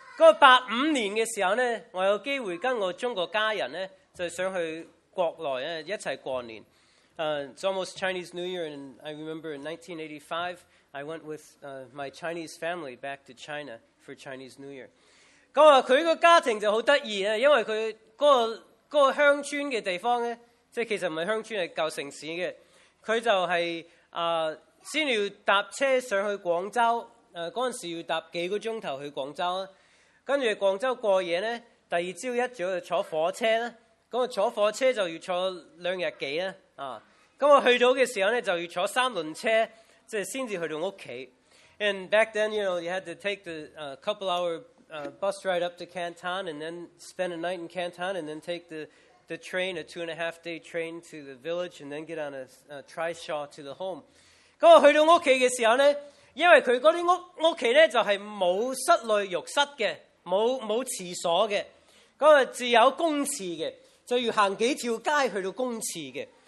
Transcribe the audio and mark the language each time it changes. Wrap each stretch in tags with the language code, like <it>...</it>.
<yue>嗰85年嘅時候咧，我有機會跟我中國家人咧，就想去國內咧一齊過年。</yue> <en>It's almost Chinese New Year, and I remember in 1985, I went with my Chinese family back to China for Chinese New Year.</en> <yue>咁啊，佢個家庭就好得意啊，因為佢嗰個鄉村嘅地方咧，即係其實唔係鄉村，係舊城市嘅。佢就係先要搭車上去廣州，嗰陣時要搭幾個鐘頭去廣州啦。跟住廣州過夜咧，第二朝一早就坐火車啦。咁啊，坐火車就要坐兩日幾啦。咁我去到嘅時候咧，就要坐三輪車，即係先至去到屋企。</yue> <en>And back then, you know, you had to take the couple hour bus ride up to Canton, and then spend a night in Canton, and then take the train, a 2.5 day train to the village, and then get on a trishaw to the home.</en> <yue>咁我去到屋企嘅時候咧，因為佢嗰啲屋企咧就係冇室內浴室嘅，冇廁所嘅，咁啊只有公廁嘅，就要行幾條街去到公廁嘅。</yue>